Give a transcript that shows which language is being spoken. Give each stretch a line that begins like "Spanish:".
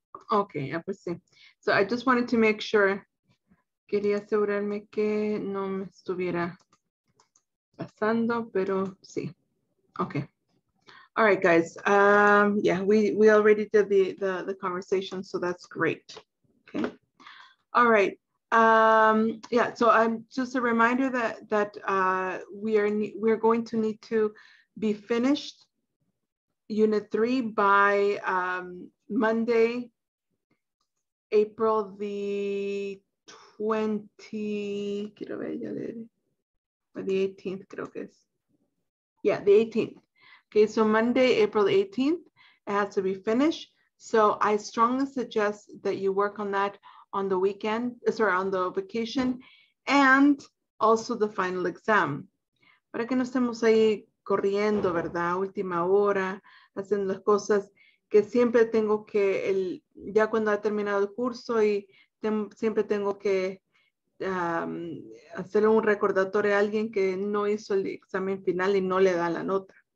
Spanish: Okay, pues sí.
English: So I just wanted to make sure.
Spanish: Quería asegurarme que no me estuviera pasando, pero sí.
English: Okay. All right, guys. Yeah, we already did the conversation, so that's great. Okay. All right. Yeah, so I'm just a reminder that we're going to need to be finished unit 3 by Monday, April the 18th,
Spanish: creo que es.
English: Yeah, the 18th. Okay, so Monday, April 18th, it has to be finished. So I strongly suggest that you work on that on the weekend, sorry, on the vacation, and also the final exam.
Spanish: Para que no estemos ahí corriendo, ¿verdad? Última hora, haciendo las cosas que siempre tengo que, ya cuando ha terminado el curso y siempre tengo que hacer un recordatorio a alguien que no hizo el examen final y no le da la nota.